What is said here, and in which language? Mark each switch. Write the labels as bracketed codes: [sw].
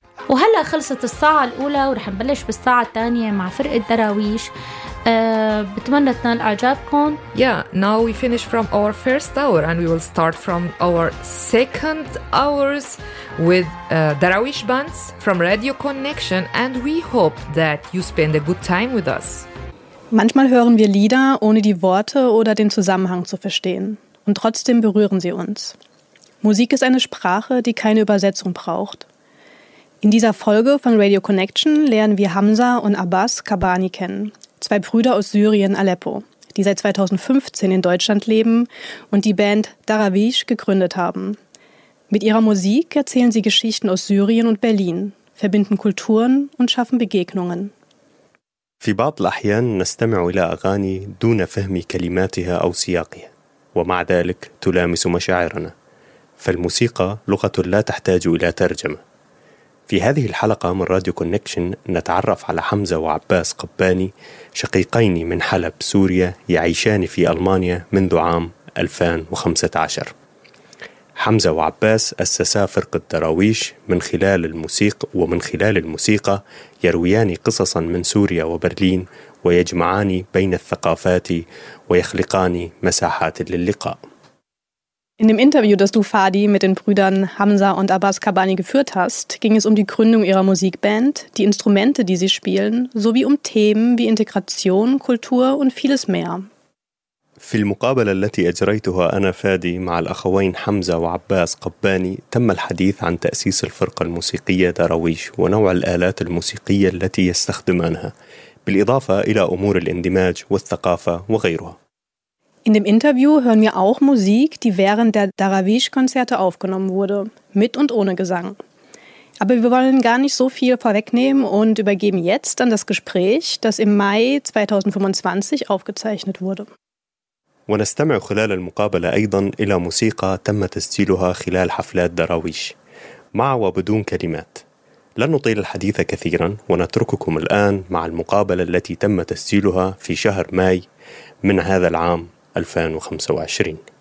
[ar] هلأ خلصت الساعة الأولى ورح نبلش بالساعة الثانية مع فرقة دراويش. بتمنى تنال أعجابكم. [en] Yeah, now we finish from our first hour and we will start from our second hours with Darawish Bands from Radio Connection and we hope that you spend a good time with us. [de] Manchmal hören wir Lieder, ohne die Worte oder den Zusammenhang zu verstehen. Und trotzdem berühren sie uns. Musik ist eine Sprache, die keine Übersetzung braucht. In dieser Folge von Radio Connection lernen wir Hamza und Abbas Kabani kennen, zwei Brüder aus Syrien, Aleppo, die seit 2015 in Deutschland leben und die Band Darawish gegründet haben. Mit ihrer Musik erzählen sie Geschichten aus Syrien und Berlin, verbinden Kulturen und schaffen Begegnungen. [ar] في بعض الأحيان نستمع إلى أغاني دون فهم كلماتها أو سياقها ومع ذلك تلامس مشاعرنا، فالموسيقى لغة لا تحتاج إلى ترجمة. في هذه الحلقة من راديو كونكشن نتعرف على حمزة وعباس قباني، شقيقين من حلب سوريا يعيشان في ألمانيا منذ عام 2015. حمزة وعباس أسسا فرقة دراويش من خلال الموسيقى، ومن خلال الموسيقى يرويان قصصا من سوريا وبرلين ويجمعان بين الثقافات ويخلقان مساحات للقاء. [de] In dem Interview, das du, Fadi, mit den Brüdern Hamza und Abbas Kabani geführt hast, ging es um die Gründung ihrer Musikband, die Instrumente, die sie spielen, sowie um Themen wie Integration, Kultur und vieles mehr. [ar] في المقابلة التي أجريتها أنا فادي مع الأخوين حمزة وعباس قباني تم الحديث عن تأسيس الفرقة الموسيقية دراويش ونوع الآلات الموسيقية التي يستخدمانها بالإضافة إلى أمور الاندماج والثقافة وغيرها. [de] In dem Interview hören wir auch Musik, die während der Darawish-Konzerte aufgenommen wurde, mit und ohne Gesang. Aber wir wollen gar nicht so viel vorwegnehmen und übergeben jetzt an das Gespräch, das im Mai 2025 aufgezeichnet wurde. [ar] ونستمع خلال المقابلة أيضاً إلى موسيقى تم تسجيلها خلال حفلات دراويش مع وبدون كلمات. لن نطيل الحديث كثيراً ونترككم الآن مع المقابلة التي تم تسجيلها في شهر ماي من هذا العام 2025.